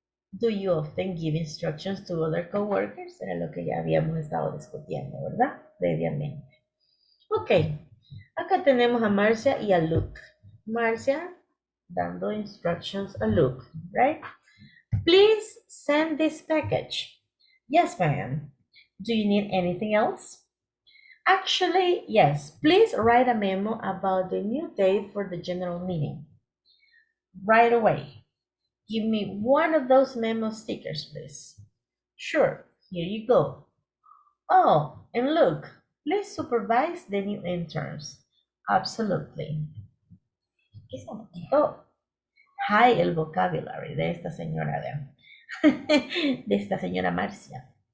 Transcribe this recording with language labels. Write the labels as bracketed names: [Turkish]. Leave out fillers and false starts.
[English] Do you often give instructions to other coworkers? [Spanish] Era lo que ya habíamos estado discutiendo, ¿verdad? Previamente. Ok. Acá tenemos a Marcia y a Luke. Marcia dando instructions a Luke, right? [English] Please send this package. Yes, ma'am. Do you need anything else? Actually, yes. Please write a memo about the new day for the general meeting. Right away. Give me one of those memo stickers, please. Sure, here you go. Oh, and look, please supervise the new interns. Absolutely. [Spanish] Es un poquito high el vocabulary de esta señora, de esta señora Marcia.